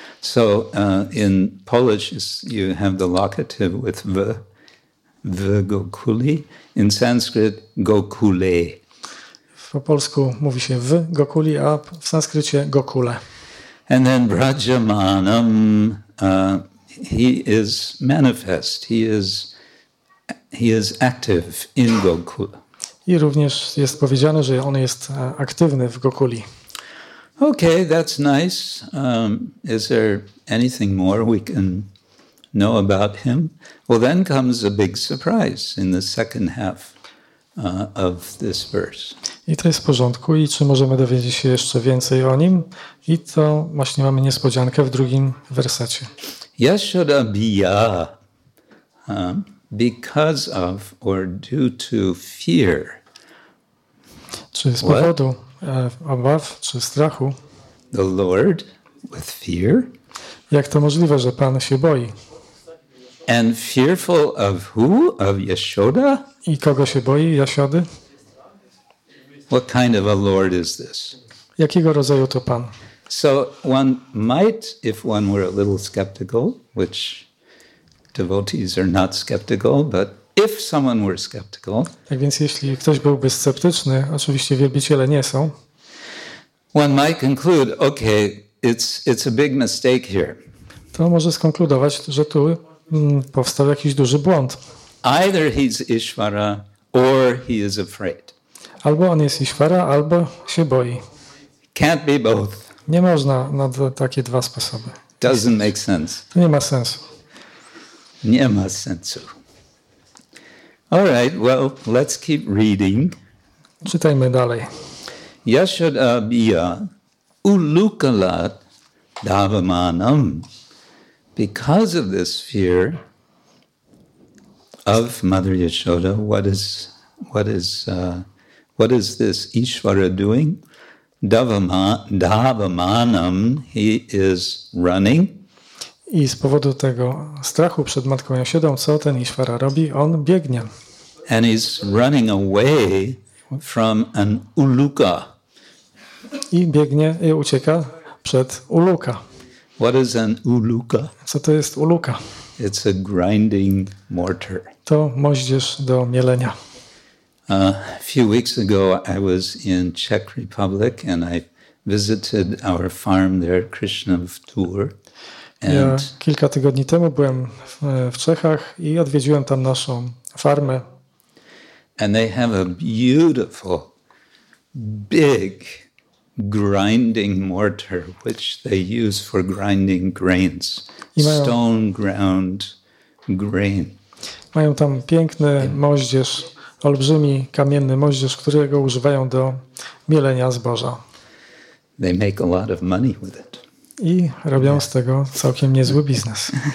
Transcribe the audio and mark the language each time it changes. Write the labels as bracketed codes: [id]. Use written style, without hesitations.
[en] So in Polish you have the locative with v Gokuli. In Sanskrit Gokule. [pl] Po polsku mówi się w Gokuli, a w sanskrycie Gokule. [en] And then Vrajamanam, he is manifest, he is active in Gokula. [pl] I również jest powiedziane, że on jest aktywny w Gokuli. [en] Okay, that's nice. Is there anything more we can know about him? Well, then comes a big surprise in the second half of this verse. [pl] I to jest w porządku. I czy możemy dowiedzieć się jeszcze więcej o nim? I to właśnie mamy niespodziankę w drugim wersecie. [en] Yashoda biya, because of or due to fear. [pl] Czy z powodu obaw, czy strachu? [en] The Lord with fear? [pl] Jak to możliwe, że Pan się boi? [en] And fearful of who? Of Yashoda? [pl] I kogo się boi, Yashody? [en] What kind of a Lord is this? [pl] Jakiego rodzaju to Pan? [en] So one might, if one were a little skeptical, which devotees are not skeptical, but if someone were skeptical, [pl] tak więc jeśli ktoś byłby sceptyczny, oczywiście wielbiciele nie są, [en] one might conclude, okay, it's a big mistake here. [pl] To może skonkludować, że tu powstał jakiś duży błąd. [en] Either he's Ishvara or he is afraid. [pl] Albo on jest Ishvara, albo się boi. [en] Can't be both. [pl] Nie można na takie dwa sposoby. [en] Doesn't make sense. [pl] To nie ma sensu. Nie ma sensu. [en] All right, well, let's keep reading. [pl] Czytajmy dalej. [sa] Yashoda biya ulukalat davamanam. [en] Because of this fear of Mother Yashoda, what is this Ishvara doing? Davamanam, he is running. [pl] I z powodu tego strachu przed Matką Yashodą, co ten Ishvara robi? On biegnie. [en] And he's running away from an uluka. [pl] I biegnie i ucieka przed uluka. [en] What is an uluka? [pl] Co to jest uluka? [en] It's a grinding mortar. [pl] To moździerz do mielenia. [en] A few weeks ago I was in Czech Republic and I visited our farm there, Krishnav Tour. [pl] And ja kilka tygodni temu byłem w Czechach i odwiedziłem tam naszą farmę. [en] And they have a beautiful, big grinding mortar, which they use for grinding grains, stone ground grain. [pl] Mają tam piękny moździerz, olbrzymi kamienny moździerz, którego używają do mielenia zboża. [en] They make a lot of money with it. [pl] I robią z tego całkiem niezły biznes.